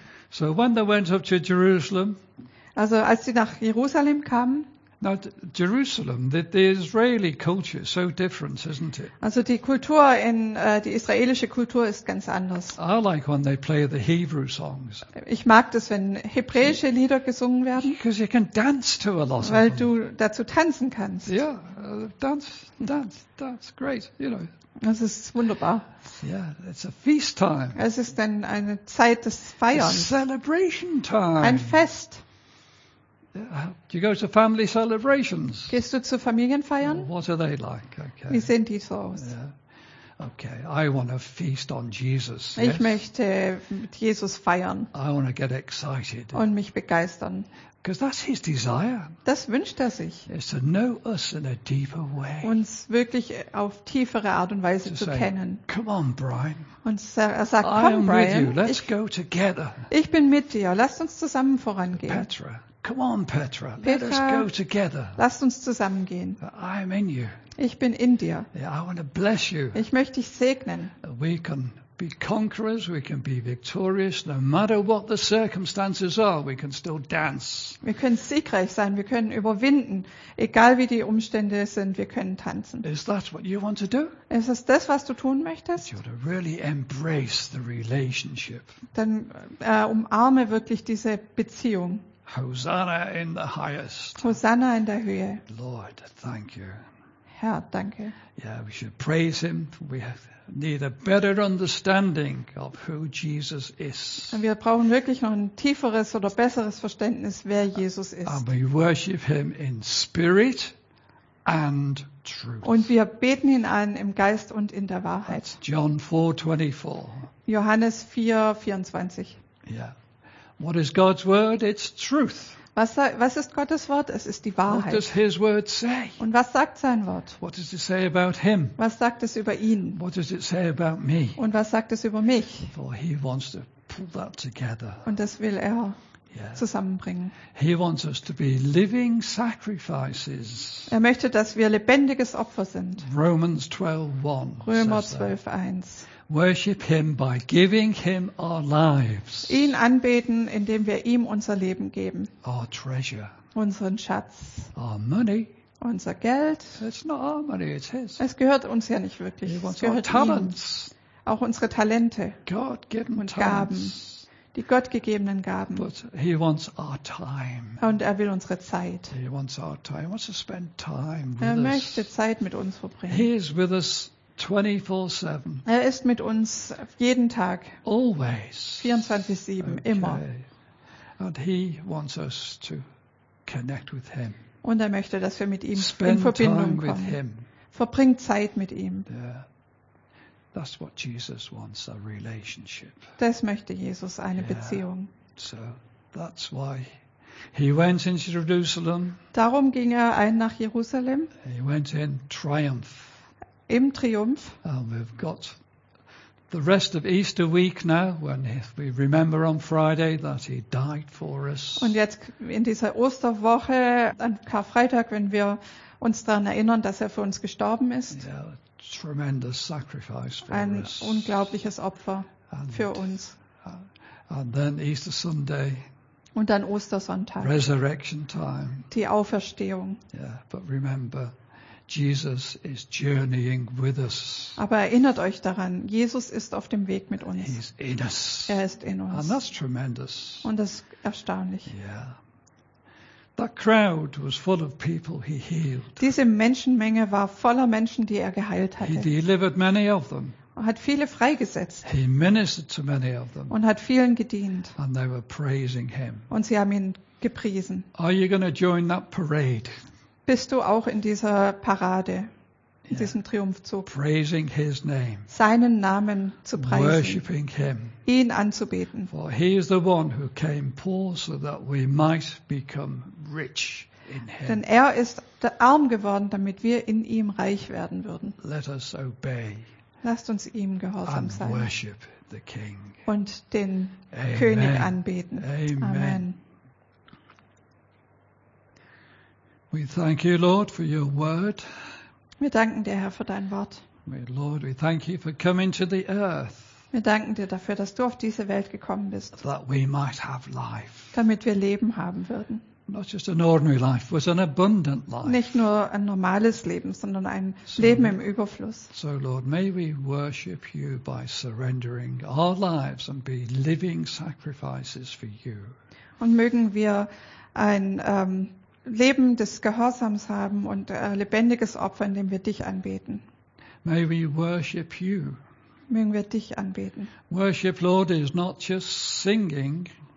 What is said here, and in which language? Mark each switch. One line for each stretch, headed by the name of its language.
English: So when they went up to Jerusalem.
German: Also als sie nach Jerusalem kamen.
English: Now, Jerusalem, the Israeli culture is so different, isn't it?
German: Also die Kultur die israelische Kultur ist ganz anders.
English: I like when they play the Hebrew songs.
German: Ich mag das, wenn hebräische Lieder gesungen werden.
English: Because you can dance to a lot of them.
German: Weil du dazu tanzen kannst.
English: Yeah, dance, great, you know.
German: Das ist wunderbar.
English: Yeah, it's a feast time.
German: Es ist dann eine Zeit des Feierns.
English: A celebration time.
German: Ein Fest.
English: Do you go to family celebrations?
German: Gehst du zu Familienfeiern?
English: What are they like? Okay.
German: Wie sehen die so aus?
English: Yeah. Okay, I want to feast on Jesus.
German: Ich möchte mit Jesus feiern.
English: I want to get excited.
German: Und mich begeistern.
English: Because that's his desire.
German: Das wünscht er sich.
English: Is to know us in a deeper way.
German: Uns wirklich auf tiefere Art und Weise zu kennen.
English: Come on, Brian.
German: Und er sagt, komm, Brian.
English: With you. Let's go together.
German: Ich bin mit dir. Lasst uns zusammen vorangehen.
English: Petra. Come on, Petra. Let us go together.
German: Lasst uns zusammengehen.
English: I'm in you.
German: Ich bin in dir.
English: Yeah, I want to bless you.
German: Ich möchte dich segnen.
English: We can be conquerors. We can be victorious, no matter what the circumstances are. We can still dance.
German: Wir können siegreich sein. Wir können überwinden, egal wie die Umstände sind. Wir können tanzen.
English: Is that what you want to do?
German: Ist es das, was du tun möchtest?
English: You want to really embrace the relationship.
German: Dann umarme wirklich diese Beziehung.
English: Hosanna in the highest.
German: Hosanna in der Höhe.
English: Lord, thank you.
German: Herr, danke.
English: Yeah, we should praise him. We need a better understanding of who Jesus is.
German: Wir brauchen wirklich noch ein tieferes oder besseres Verständnis, wer Jesus ist.
English: And we worship him in spirit and truth.
German: Und wir beten ihn an im Geist und in der Wahrheit.
English: That's John 4:24.
German: Johannes 4:24.
English: Yeah. What is God's word? It's truth.
German: Was ist Gottes Wort? Es ist die Wahrheit.
English: What does his word say?
German: Und was sagt sein Wort?
English: What does it say about him?
German: Was sagt es über ihn?
English: What does it say about me?
German: Und was sagt es über mich?
English: For he wants to pull that together.
German: Und das will er. zusammenbringen.
English: He wants us to be living sacrifices.
German: Er möchte, dass wir lebendiges Opfer sind.
English: Romans 12:1.
German: Römer 12:1.
English: Worship him by giving him our lives.
German: Ihn anbeten, indem wir ihm unser Leben geben.
English: Our treasure.
German: Unseren Schatz.
English: Our money.
German: Unser Geld.
English: It's not our money, it's his.
German: Es gehört uns ja nicht wirklich.
English: He wants our talents.
German: Auch unsere Talente.
English: God given
German: und Gaben. Die gottgegebenen Gaben.
English: But he wants our time.
German: Und er will unsere Zeit.
English: He wants our time. He wants to spend time with us.
German: Er möchte Zeit mit uns verbringen.
English: He is with us 24/7.
German: Er ist mit uns jeden Tag.
English: Always.
German: 24/7, okay. Immer.
English: And he wants us to connect with him.
German: Und er möchte, dass wir mit ihm spend in Verbindung
English: time with
German: kommen.
English: Him.
German: Verbringt Zeit mit ihm.
English: Yeah. That's what Jesus wants, a relationship.
German: Das möchte Jesus, eine Beziehung.
English: So that's why he went into Jerusalem.
German: Darum ging er ein nach Jerusalem.
English: He went in triumph.
German: Im Triumph.
English: And we've got the rest of Easter week now, when we remember on Friday that he died for us.
German: Und jetzt in dieser Osterwoche, an Karfreitag, wenn wir uns daran erinnern, dass er für uns gestorben ist.
English: Yeah. Tremendous sacrifice for
German: ein
English: us.
German: Unglaubliches Opfer and, für uns.
English: And then Easter Sunday.
German: Und dann Ostersonntag.
English: Resurrection time.
German: Die Auferstehung.
English: Yeah, but remember, Jesus is journeying with us.
German: Aber erinnert euch daran, Jesus ist auf dem Weg mit uns.
English: He's in us.
German: Er ist in uns.
English: And that's tremendous.
German: Und das ist erstaunlich.
English: Yeah. That crowd was full of people he healed.
German: Diese Menschenmenge war voller Menschen, die er geheilt hatte.
English: He delivered many of them.
German: Er hat viele freigesetzt.
English: He ministered to many of them.
German: Und hat vielen gedient.
English: And they were praising him.
German: Und sie haben ihn gepriesen.
English: Are you going to join that parade?
German: Bist du auch in dieser Parade, in diesem Triumphzug?
English: Praising his name.
German: Seinen Namen zu preisen.
English: Worshiping him.
German: Ihn anzubeten.
English: For he is the one who came poor so that we might become rich in him.
German: Denn er ist arm geworden, damit wir in ihm reich werden würden.
English: Let us obey.
German: Lasst uns ihm gehorsam
English: and
German: sein.
English: Worship the king.
German: Und den
English: Amen.
German: König anbeten.
English: Amen. Amen. We thank you, Lord, for your word.
German: Wir danken dir, Herr, für dein Wort.
English: Lord, we thank you for coming to the earth.
German: Wir danken dir dafür, dass du auf diese Welt gekommen bist.
English: That we might have life.
German: Damit wir Leben haben würden.
English: Not just an ordinary life, but an abundant life.
German: Nicht nur ein normales Leben, sondern ein Leben im Überfluss.
English: So, Lord, may we worship you by surrendering our lives and be living sacrifices for you.
German: Und mögen wir ein Leben des Gehorsams haben und lebendiges Opfer, indem wir dich anbeten.
English: May we worship you.
German: Mögen wir dich anbeten.
English: Worship, Lord, is not just singing.